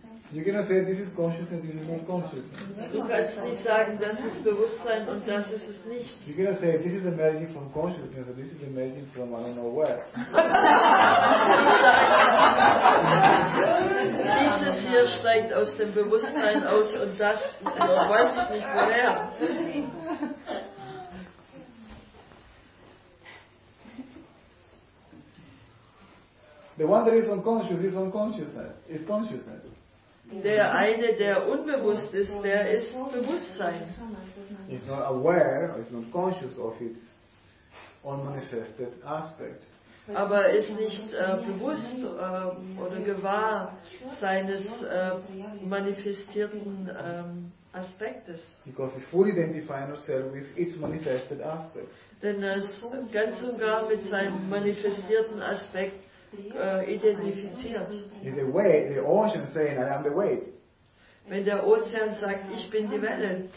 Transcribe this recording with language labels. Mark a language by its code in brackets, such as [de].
[en] You cannot say this is consciousness, this is not consciousness. [de] Du kannst nicht sagen, das ist Bewusstsein und das ist es nicht. [en] You cannot say this is emerging from consciousness, this is emerging from I don't know where. [de] Dieses hier steigt vielleicht aus dem Bewusstsein aus und das weiß ich nicht woher. [en] The one that is unconscious is unconsciousness. Is consciousness. [de] Der eine, der unbewusst ist, der ist Bewusstsein. [en] He's not aware, he's not conscious of its unmanifested aspect. [de] Aber ist nicht bewusst oder gewahr seines manifestierten Aspektes. [en] Because it's fully identifying itself with its manifested aspect. [de] Denn es ganz und gar mit seinem manifestierten Aspekt identifiziert. [en] In the way, the ocean saying, I am the wave. [de] Wenn der Ozean sagt, ich bin die Welle.